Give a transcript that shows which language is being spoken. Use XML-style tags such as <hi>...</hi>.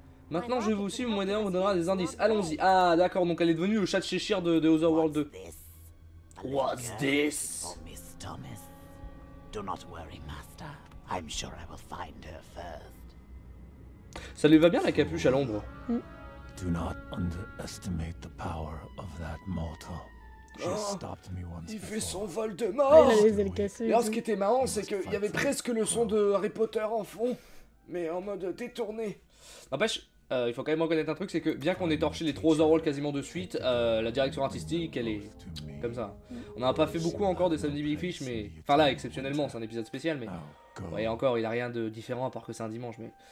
<fr>Maintenant je vais vous suivre, mon moyen vous donnera des indices. Allons-y. Ah d'accord, donc elle est devenue le chat de Cheshire de Otherworld 2.</fr> <en>What's this? Miss Thomas. Do not worry, master. I'm sure I will find her first.</en> <fr>Ça lui va bien la capuche à l'ombre.</fr> <en>Do not underestimate the power of that mortal. She stopped me once.</en> <fr>Il fait son vol de mort. Elle a les ailes cassées. Alors ce qui était marrant, c'est qu'il y avait presque le son de Harry Potter en fond, mais en mode détourné. N'empêche, il faut quand même reconnaître un truc, c'est que bien qu'on ait torché les trois rôles quasiment de suite, la direction artistique, elle est comme ça. On n'a pas fait beaucoup encore de Sam Big Fish, mais enfin là, exceptionnellement, c'est un épisode spécial, mais ouais, encore, il a rien de différent à part que c'est un dimanche, mais.</fr>